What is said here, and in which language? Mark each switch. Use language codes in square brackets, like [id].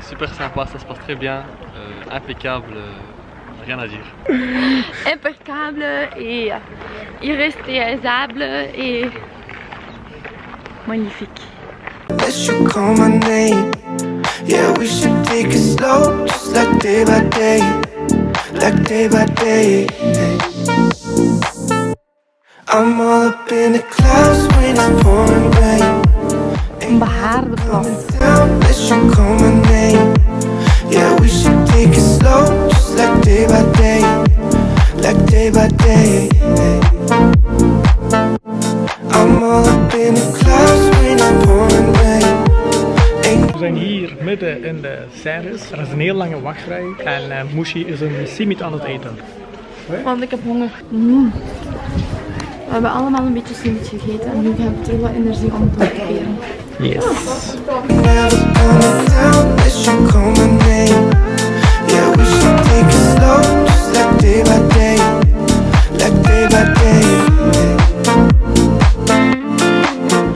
[fr] Super sympa, ça se passe très bien. Impeccable. Rien à dire. Impeccable et irrestéisable et magnifique. [en] Unless you call my name. Yeah, we should take it slow, just like day by day. Like day by day. I'm all up in the clouds when it's pouring rain. [nl] Een behaarde plas. [en] Unless you call my name. Yeah, we should take it slow. Like day by day, like day by day. I'm all up in the clouds when I'm pouring rain. [nl] We zijn hier midden in de service. Er is een heel lange wachtrij en Mushi is een simiet aan het eten. Want ik heb honger. We hebben allemaal een beetje simiet gegeten en nu heb ik er wat energie om te proberen. [en] Yes. Yes.